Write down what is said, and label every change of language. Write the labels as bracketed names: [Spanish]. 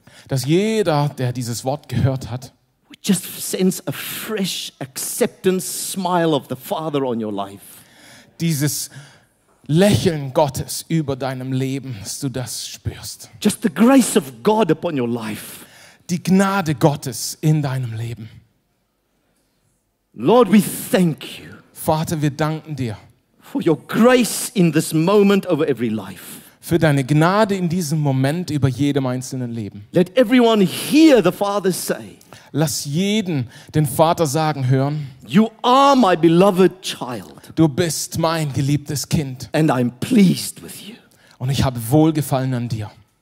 [German] dass jeder, der dieses Wort gehört hat, [English] just sense a fresh acceptance smile of the Father on your life. [German] Dieses Lächeln Gottes über deinem Leben, dass du das spürst. [English] Just the grace of God upon your life. [German] Die Gnade Gottes in deinem Leben. [English] Lord, we thank you. [German] Vater, wir danken dir. [English] For your grace in this moment over every life. [German] Für deine Gnade in diesem Moment über jedem einzelnen Leben. [English] Let everyone hear the Father say. [German] Lass jeden den Vater sagen hören. [English] You are my beloved child. [German] Du bist mein geliebtes Kind. [English] And I'm pleased with you. [German] Und ich habe Wohlgefallen an dir.